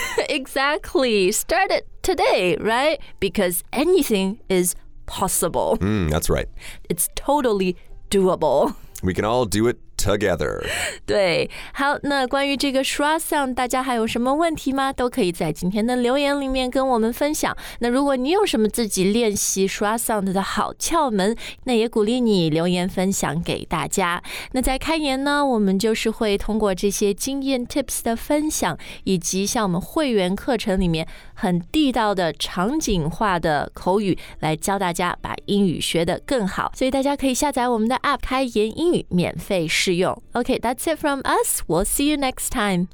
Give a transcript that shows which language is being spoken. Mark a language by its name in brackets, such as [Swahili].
[English] Exactly. Start it today, right? Because anything is possible. That's right. It's totally doable. We can all do it together. [Chinese] 对。好，那关于这个 schwa sound, 大家还有什么问题吗？都可以在今天的留言里面跟我们分享。那如果你有什么自己练习 schwa sound 的好窍门，那也鼓励你留言分享给大家。那在开言呢，我们就是会通过这些经验 tips 的分享，以及像我们会员课程里面很地道的场景化的口语来教大家把英语学得更好。所以大家可以下载我们的 app 开言英语免费试用。 Okay, that's it from us. We'll see you next time.